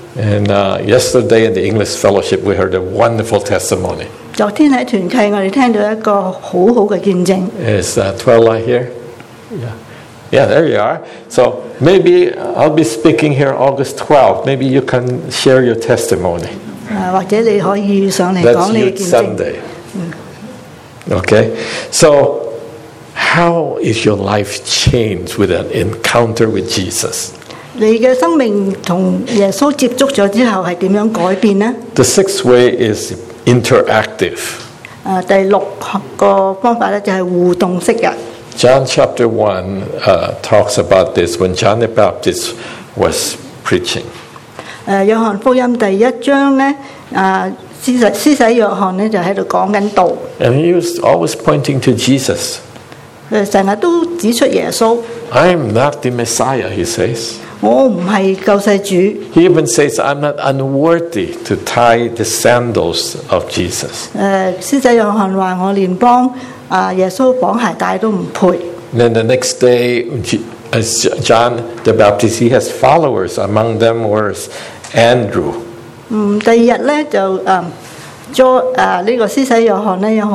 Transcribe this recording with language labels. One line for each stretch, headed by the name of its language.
English: And yesterday in the English Fellowship, we heard a wonderful testimony.
Chinese: 昨天在團契，我們聽到一個很好的見證。
English: Is Twella here? Yeah. Yeah, there you are. So maybe I'll be speaking here August 12th. Maybe you can share your testimony.
Chinese: 或者你可以上來講你的見證。
English: That's Youth Sunday. Okay. So how is your life changed with an encounter with Jesus?
Chinese: 你的生命跟耶稣接触了之后是怎样改变呢?
English: The sixth way is interactive.
Chinese: 第六个方法就是互动式的。
English: John chapter 1 talks about this when John the Baptist was preaching.
Chinese: 约翰福音第一章呢, 施洗约翰就在讲道。
English: And he was always pointing to Jesus.
Chinese: 经常都指出耶稣。
English: I'm not the Messiah, he says.
Chinese: 我不是救世主,
English: he even says, I'm not unworthy to tie the sandals of Jesus.
Chinese: 施洗約翰說我連幫, Yeshua綁鞋帶都不配。
English: Then the next day, as John the Baptist, he has followers. Among them was Andrew.
Chinese: 第二天呢, 就, 这个施洗約翰呢,